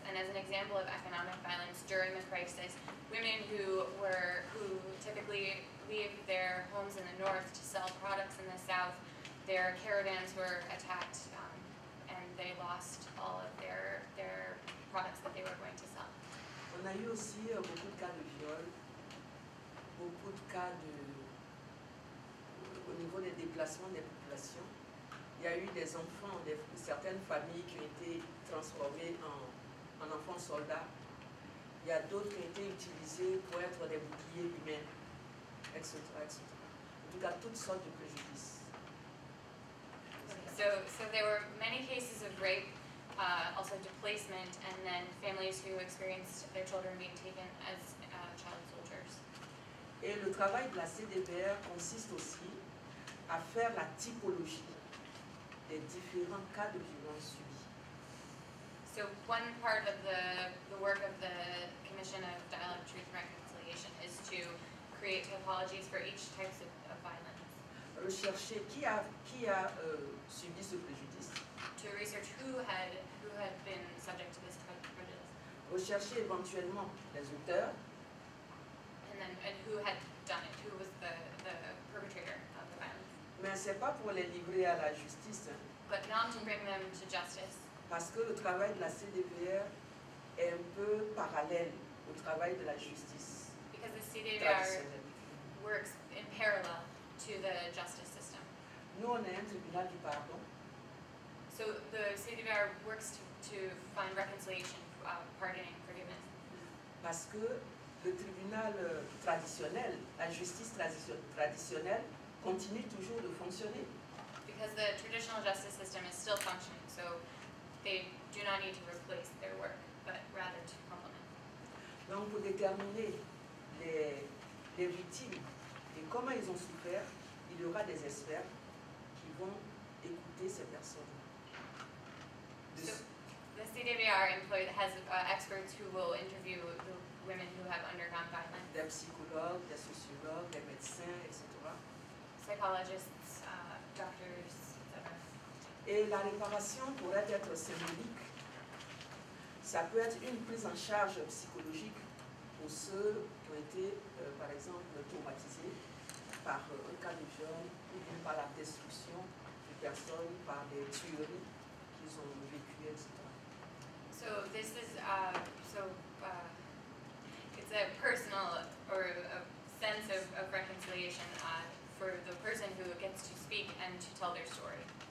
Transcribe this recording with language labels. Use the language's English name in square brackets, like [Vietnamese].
[English] And as an example of economic violence during the crisis, women who typically leave their homes in the north to sell products in the south, their caravans were attacked, and they lost all of their products that they were going to sell. [French] On a eu aussi beaucoup de cas de viol, beaucoup de cas de au niveau des déplacements des populations. Il y a eu des enfants, certaines familles qui ont été transformées en enfants soldats. il y a d'autres qui ont été utilisés pour être des boucliers humains, etc., etc. En tout cas, toutes sortes de préjudices. [English] So there were many cases of rape, also displacement, and then families who experienced their children being taken as child soldiers. [French] Et le travail de la CDPR consiste aussi à faire la typologie des différents cas de violence subis. [English] So one part of the work of the Commission of Dialogue, Truth, and Reconciliation is to create typologies for each type of violence. [French] Rechercher qui a subi ce préjudice. [English] To research who had been subject to this type of prejudice. [French] Rechercher éventuellement les auteurs. [English] And who had done it, who was the perpetrator of the violence. [French] Mais c'est pas pour les livrer à la justice. [English] But not to bring them to justice. [French] Parce que le travail de la CDPR est un peu parallèle au travail de la justice. [English] Because the CDPR works in parallel to the justice system. [French] Nous, on est un tribunal du pardon. [English] So the CDPR works to find reconciliation, pardoning, forgiveness. [French] Parce que le tribunal traditionnel, la justice traditionnelle, continue toujours de fonctionner. [English] Because the traditional justice system is still functioning, so they do not need to replace their work, but rather to complement. [French] Donc pour déterminer les victimes et comment ils ont souffert, il y aura des experts qui vont écouter ces personnes. [English] The CDPR has experts who will interview the women who have undergone violence. [French] Des psychologues, des sociologues, des médecins, etc. [English] Psychologists, doctors, etc. [French] Et la réparation pourrait être symbolique. Ça peut être une prise en charge psychologique pour ceux qui ont été, par exemple, traumatisés par un cas de viol ou bien par la destruction de personnes, par des tueries qu'ils ont vécues, etc. [English] So this is it's a personal or a sense of reconciliation for the person who gets to speak and to tell their story.